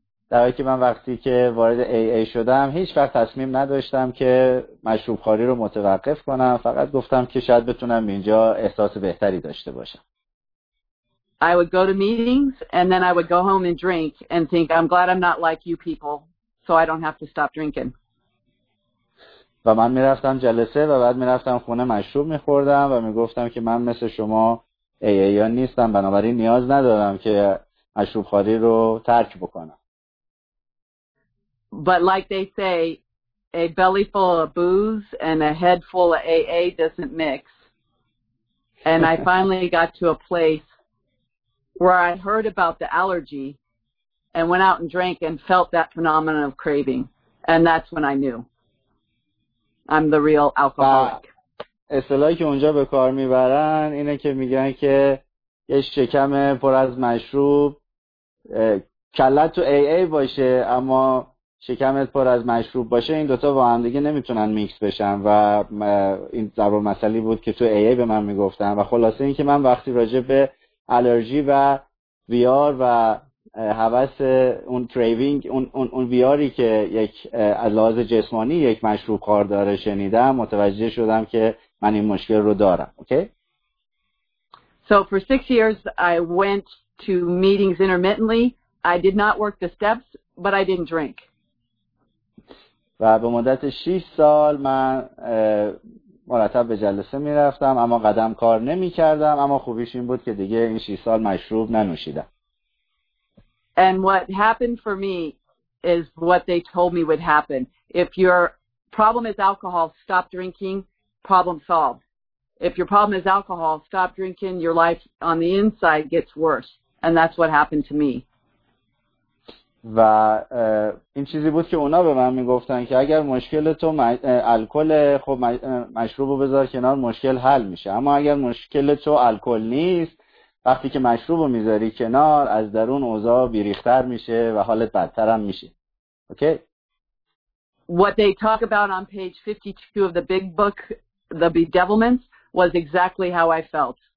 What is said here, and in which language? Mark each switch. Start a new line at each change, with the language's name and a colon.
Persian: در حالی که من وقتی که وارد AA شدم هیچ وقت تصمیم نداشتم که مشروب خواری رو متوقف کنم، فقط گفتم که شاید بتونم اینجا احساس بهتری داشته باشم.
English: I would go to meetings and then I would go home and drink and think I'm glad I'm not like you people so I don't have to stop drinking.
Persian: و من میرفتم جلسه و بعد میرفتم خونه مشروب میخوردم و میگفتم که من مثل شما AA یا نیستم، بنابراین نیاز ندارم که مشروب خواری رو ترک بکنم.
English: But like they say, a belly full of booze and a head full of AA doesn't mix. And I finally got to a place where I heard about the allergy and went out and drank and felt that phenomenon of craving. And that's when I knew I'm the real alcoholic.
Persian: اصطلاحی که اونجا به کار میبرن اینه که میگن که یه شکم پر از مشروب کلت تو AA باشه اما شکمت پر از مشروب باشه، این دوتا با هم دیگه نمیتونن میکس بشن و این ضرب المثلی بود که تو AA به من میگفتن. و خلاصه این که من وقتی راجع به الرژی و ویار و هوس اون کریوینگ اون ویاری که یک از لحاظ جسمانی یک مشروب خوار داره شنیدم، متوجه شدم که من این مشکل رو دارم.
English: Okay. So for 6 years I went to meetings intermittently. I did not work the steps, but I didn't drink.
Persian: و به مدت 6 سال من با مرتب به جلسه می رفتم اما قدم کار نمی کردم اما خوبیش این بود که دیگه این 6 سال مشروب ننوشیدم.
English: And what happened for me is what they told me would happen. If your problem is alcohol, stop drinking, problem solved. If your problem is alcohol, stop drinking, your life on the inside gets worse. And that's what happened to me.
Persian: و این چیزی بود که اونا به من میگفتن که اگر مشکل تو الکل خب مشروب رو بذار کنار مشکل حل میشه اما اگر مشکل تو الکل نیست وقتی که مشروب رو میذاری کنار از درون اوضاع بیریختر میشه و حالت بدتر هم میشه.
English: Okay? What they talk about on page 52 of the big book The Bedevilments was exactly how I felt.